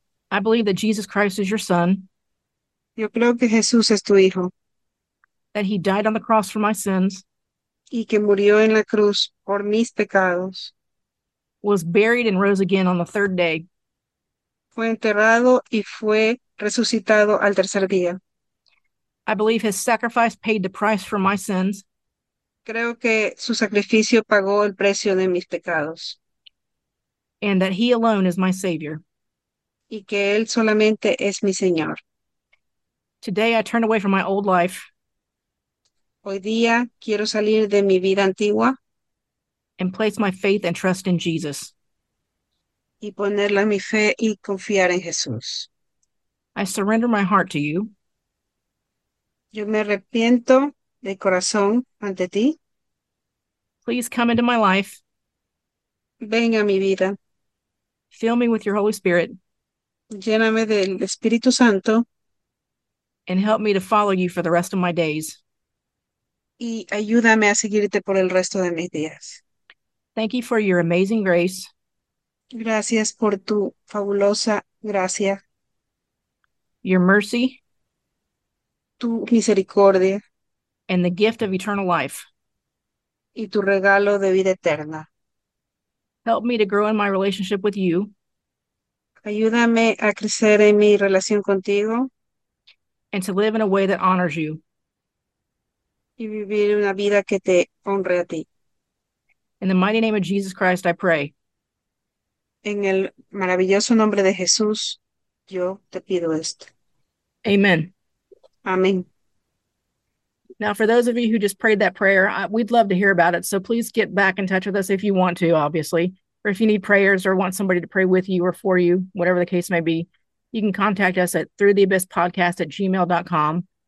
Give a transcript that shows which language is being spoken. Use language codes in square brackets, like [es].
[en] I believe that Jesus Christ is your son. [es] Yo creo que Jesús es tu hijo. [en] That he died on the cross for my sins. [es] Y que murió en la cruz por mis pecados. [en] Was buried and rose again on the third day. [es] Fue enterrado y fue resucitado al tercer día. [en] I believe his sacrifice paid the price for my sins. [es] Creo que su sacrificio pagó el precio de mis pecados. [en] And that he alone is my savior. [es] Y que él solamente es mi Señor. [en] Today I turn away from my old life. [es] Hoy día quiero salir de mi vida antigua. [en] And place my faith and trust in Jesus. [es] Y ponerle mi fe y confiar en Jesús. [en] I surrender my heart to you. [es] Yo me arrepiento de corazón ante ti. [en] Please come into my life. [es] Ven a mi vida. [en] Fill me with your Holy Spirit. [es] Lléname del Espíritu Santo. [en] And help me to follow you for the rest of my days. [es] Y ayúdame a seguirte por el resto de mis días. [en] Thank you for your amazing grace. [es] Gracias por tu fabulosa gracia. [en] Your mercy. [es] Tu misericordia. [en] And the gift of eternal life. [es] Y tu regalo de vida eterna. [en] Help me to grow in my relationship with you. [es] Ayúdame a crecer en mi relación contigo. [en] And to live in a way that honors you. [es] Y vivir una vida que te honre a ti. [en] In the mighty name of Jesus Christ, I pray. [es] En el maravilloso nombre de Jesús, yo te pido esto. [en] Amen. [es] Amén. [en] Now, for those of you who just prayed that prayer, we'd love to hear about it. So please get back in touch with us if you want to, obviously. Or if you need prayers or want somebody to pray with you or for you, whatever the case may be, you can contact us at throughtheabysspodcast@gmail.com.